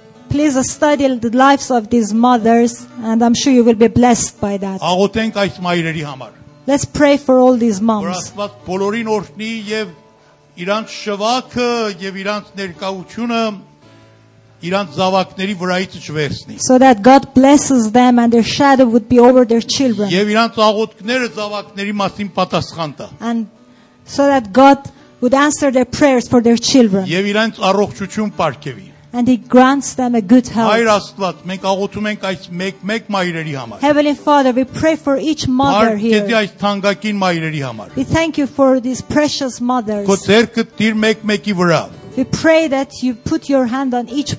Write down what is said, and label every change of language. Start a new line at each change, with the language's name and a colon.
English: Please study the lives of these mothers, and I'm sure you will be blessed by that. Let's pray for all these moms.
Armenian: Բոլորին օրհնի եւ իրանց շվակը եւ իրանց ներկայությունը իրանց զավակների վրայից չվերցնի.
English: So that God blesses them and their shadow would be over their children.
Armenian: Եվ իրանց աղոթքները զավակների մասին պատասխան տա.
English: And so that God would answer their prayers for their children.
Armenian: Եվ իրանց առողջություն պարգևի.
English: And he grants them a good health.
Armenian: Հայր Աստված, մենք աղոթում ենք այս մեկ մայրերի համար.
English: Heavenly Father, we pray for each mother here.
Armenian: Բարքեցի այս թանկագին մայրերի համար.
English: We thank you for these precious mothers.
Armenian: Քո ձեռքը դիր մեկ-մեկի վրա.
English: We pray that you put your hand on each